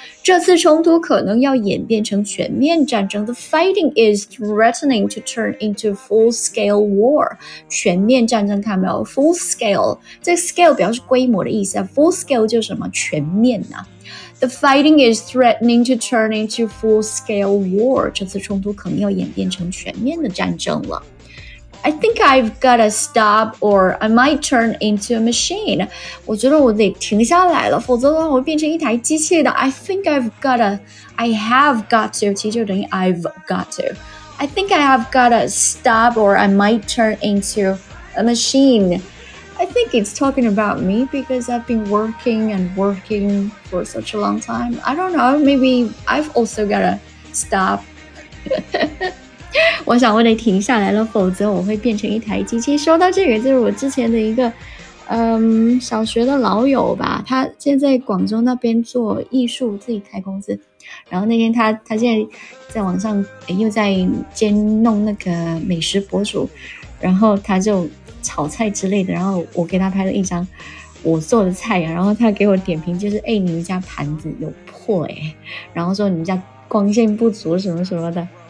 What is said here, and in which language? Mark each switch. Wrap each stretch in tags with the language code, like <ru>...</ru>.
<zh>这次冲突可能要演变成全面战争。</zh> <en>The fighting is threatening to turn into full-scale war.</en> <zh>全面战争，看到没有 ？Full-scale， 这 scale 表示规模的意思啊。Full-scale 就是什么？全面啊。</zh> <en>The fighting is threatening to turn into full-scale war.</en> <zh>这次冲突可能要演变成全面的战争了。</zh> <en>I think I've got to stop or I might turn into a machine.</en> <zh>我觉得我得停下来了，否则的话我会变成一台机器的。</zh> <en>I have got to,</en> <zh>其实就等于</zh> <en>I've got to. I think I have got to stop or I might turn into a machine. I think it's talking about me because I've been working and working for such a long time. I don't know, maybe I've also got to stop.</en> <zh>我想我得停下来了，否则我会变成一台机器。说到这个，就是我之前的一个小学的老友吧，他现在广州那边做艺术，自己开公司。然后那天他现在在网上又在兼弄那个美食博主，然后他就炒菜之类的，然后我给他拍了一张我做的菜，然后他给我点评，就是哎，你们家盘子有破哎，然后说你们家光线不足什么什么的。</zh>